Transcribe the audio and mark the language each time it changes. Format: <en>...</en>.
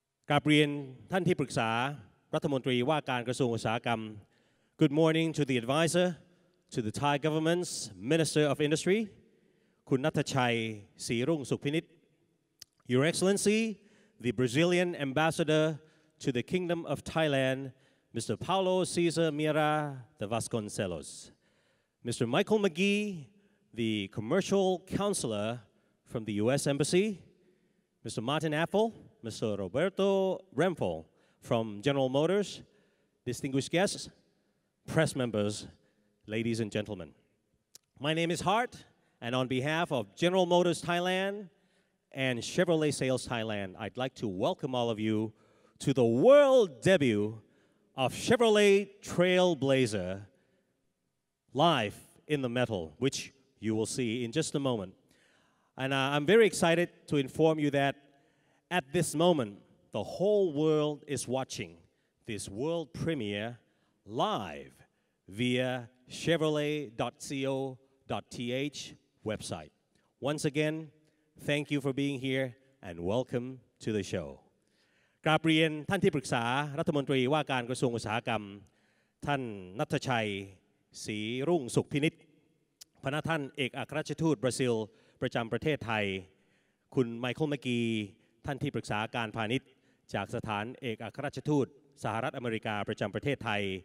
<th>กราบเรียนท่านที่ปรึกษารัฐมนตรีว่าการกระทรวงอุตสาหกรรม</th> <en>Good morning to the advisor to the Thai government's Minister of Industry คุณณัฐชัยศรีรุ่งสุขพินิจ Your Excellency the Brazilian Ambassador to the Kingdom of ThailandMr. Paulo Cesar Mira, the Vasconcelos. Mr. Michael McGee, the Commercial Counselor from the U.S. Embassy. Mr. Martin Apple, Mr. Roberto Renfro from General Motors. Distinguished guests, press members, ladies and gentlemen. My name is Hart, and on behalf of General Motors Thailand and Chevrolet Sales Thailand, I'd like to welcome all of you to the world debutOf Chevrolet Trailblazer live in the metal, which you will see in just a moment. And I'm very excited to inform you that at this moment, the whole world is watching this world premiere live via Chevrolet.co.th website. Once again, thank you for being here and welcome to the show.</en> <th>กราบเรียนท่านที่ปรึกษารัฐมนตรีว่าการกระทรวงอุตสาหกรรมท่านณัฐชัยศรีรุ่งสุขพินิจพนักท่านเอกอัครราชทูตบราซิลประจำประเทศไทยคุณไมเคิลแมกีท่านที่ปรึกษาการพาณิชย์จากสถานเอกอัครราชทูตสหรัฐอเมริกาประจำประเทศไทย</th>